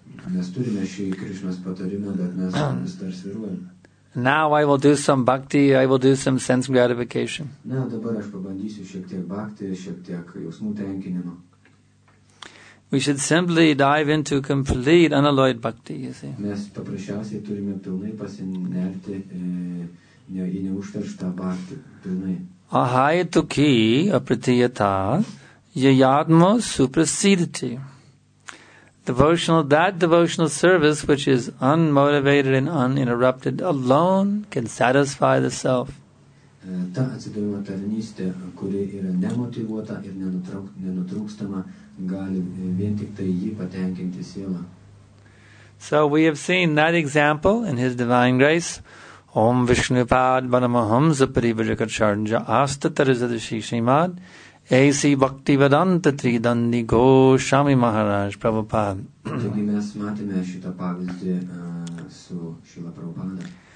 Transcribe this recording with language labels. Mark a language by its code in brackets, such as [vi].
[lt] Mes turime šį Krishna's patarimą, bet mes dar svyruojam. [en] Now I will do some bhakti, I will do some sense gratification. [lt] Na, dabar aš pabandysiu šiek tiek bhakti, šiek tiek jausmų tenkinimo. [en] We should simply dive into complete unalloyed bhakti, you see. [lt] Mes paprasčiausiai turime pilnai pasinerti į neužterštą bhakti, pilnai. [sa] Ahai tuki apritiyata yajatmo suprasidati. [en] That devotional service which is unmotivated and uninterrupted alone can satisfy the self. [lt] Ta atsidavimo tarnystė, kuri yra nemotivuota ir nenutrūkstama, gali vien tik tai jį patenkinti sielą. [en] So we have seen that example in His Divine Grace. [sa] Om Vishnu Pad Banamahamsa Parivajakacharja Astatarizadashi Srimad A.C. Bhakti Vedanta Tridandi Go Shami Maharaj Prabhupada.